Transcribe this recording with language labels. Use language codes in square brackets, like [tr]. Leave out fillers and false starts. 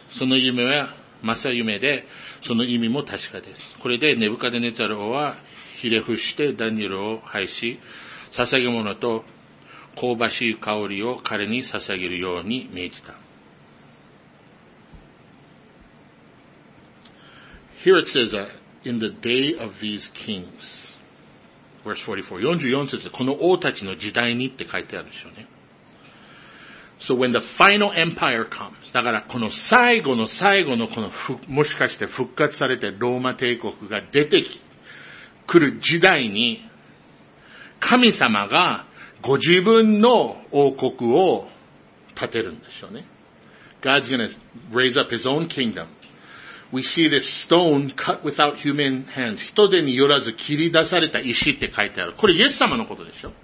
[ja] その夢は、まさ夢で、その意味も確かです。これで、ネブカデネザル王は、ひれ伏してダニエルを拝し、捧げ物と、香ばしい香りを彼に捧げるように命じた。 [en] Here it says, in the day of these kings. Verse 44. [ja] 44節で、この王たちの時代にって書いてあるでしょうね。 [en] So when the final empire comes, [ja] だからこの最後の最後のこのもしかして復活されてローマ帝国が出てくる時代に神様がご自分の王国を建てるんでしょうね。 [en] God's gonna raise up his own kingdom. We see this stone cut without human hands. [ja] 人手によらず切り出された石って書いてある。これイエス様のことでしょ。